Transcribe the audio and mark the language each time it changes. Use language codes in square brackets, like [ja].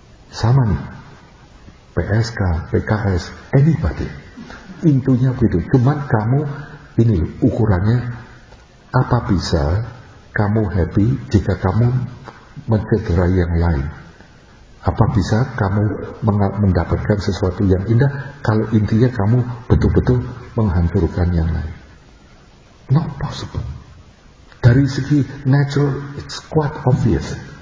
[id] Sama nih, PSK, PKS, anybody. Intinya begitu. Cuman kamu ini ukurannya, apa bisa kamu happy jika kamu mencederai yang lain? Apa bisa kamu mendapatkan sesuatu yang indah kalau intinya kamu betul-betul menghancurkan yang lain? [en] Not possible. [id] Dari segi natural, [en] it's quite obvious.